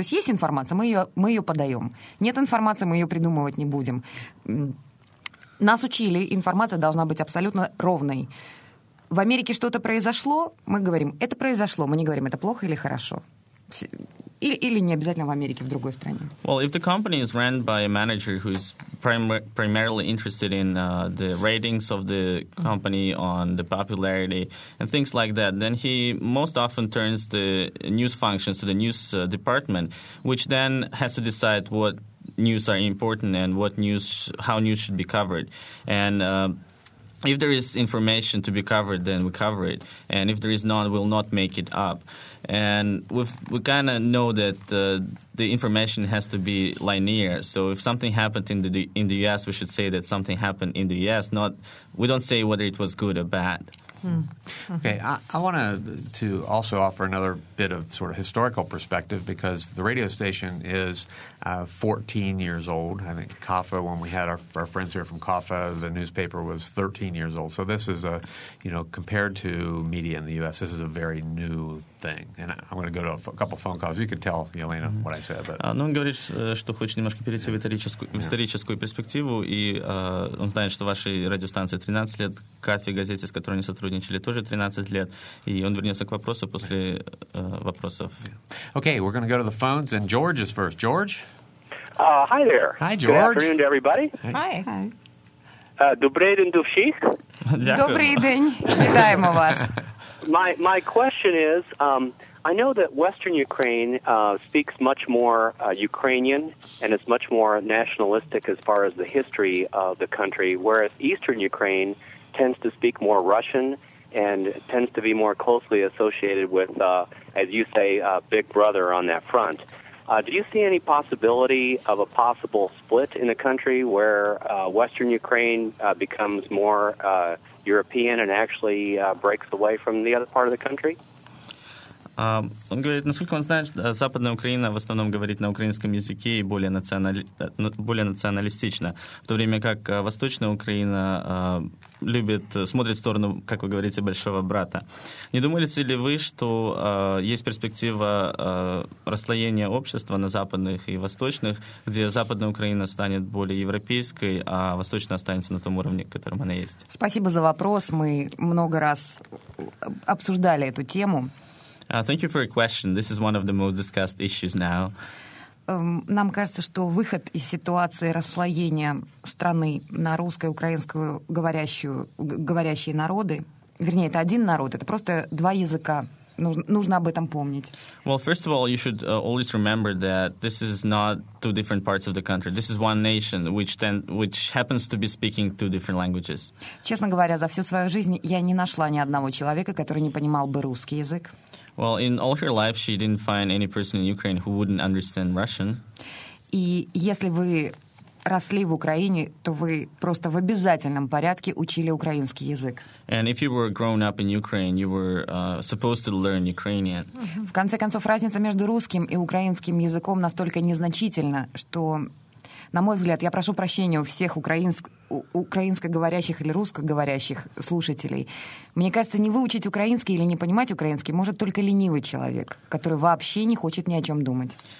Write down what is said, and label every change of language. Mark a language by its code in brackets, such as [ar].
[ru] То есть есть информация, мы ее подаем. Нет информации, мы ее придумывать не будем. Нас учили, информация должна быть абсолютно ровной. В Америке что-то произошло, мы говорим, это произошло. Мы не говорим, это плохо или хорошо. Или не обязательно в Америке, в другой стране. [en] Well, if the company is run by a manager who is primarily interested in the ratings of the company on the popularity and things like that, then he most often turns the news functions to the news department, which then has to decide what news are important and how news should be covered. And if there is information to be covered, then we cover it. And if there is none, we'll not make it up. And we kind of know that the information has to be linear. So if something happened in the U.S., we should say that something happened in the U.S. Not, we don't say whether it was good or bad. Hmm. Okay. I want to also offer another bit of sort of historical perspective, because the radio station is 14 years old. I think Kafa, when we had our friends here from Kafa, the newspaper was 13 years old. So this is compared to media in the U.S., this is a very new thing. And I'm going to go to a couple phone calls. You can tell, Yelena, mm-hmm. what I said. But. [ru] Он говорит, что хочет немножко перейти yeah. в историческую yeah. перспективу. И он знает, что вашей радиостанции 13 лет, Кафе газете, с которой они сотрудничали, тоже 13 лет. И он вернется к вопросу после вопросов. [en] Yeah. Okay, we're going to go to the phones. And George is first. George? Hi there. Hi, George. Good afternoon to everybody. Hi. [uk] Добрий день, Дувших. Добрий день. Вітаємо вас. [en] My question is, I know that Western Ukraine speaks much more Ukrainian and is much more nationalistic as far as the history of the country, whereas Eastern Ukraine tends to speak more Russian and tends to be more closely associated with, as you say, Big Brother on that front. Do you see any possibility of a possible split in the country where Western Ukraine becomes more European and actually breaks away from the other part of the country? [ru] Он говорит, насколько он знает, Западная Украина в основном говорит на украинском языке и более националистично, в то время как Восточная Украина любит смотреть в сторону, как вы говорите, Большого Брата. Не думаете ли вы, что есть перспектива расслоения общества на западных и восточных, где Западная Украина станет более европейской, а Восточная останется на том уровне, в котором она есть? Спасибо за вопрос. Мы много раз обсуждали эту тему. [en] Thank you for your question. This is one of the most discussed issues now. [ru] Нам кажется, что выход из ситуации расслоения страны на русско-украинскую говорящие народы, вернее, это один народ, это просто два языка. Нужно об этом помнить. [en] Well, first of all, you should always remember that this is not two different parts of the country. This is one nation, which happens to be speaking two different languages. [ru] Честно говоря, за всю свою жизнь я не нашла ни одного человека, который не понимал бы русский язык. [en] Well, in all her life, she didn't find any person in Ukraine who wouldn't understand Russian. [ru] И если вы росли в Украине, то вы просто в обязательном порядке учили украинский язык. [en] And if you were grown up in Ukraine, you were supposed to learn Ukrainian. [ru] В конце концов, разница между русским и украинским языком настолько незначительна, что, на мой взгляд, я прошу прощения у всех украинскоговорящих или русскоговорящих слушателей. Мне кажется, не выучить украинский или не понимать украинский может только ленивый человек, который вообще не хочет ни о чем думать.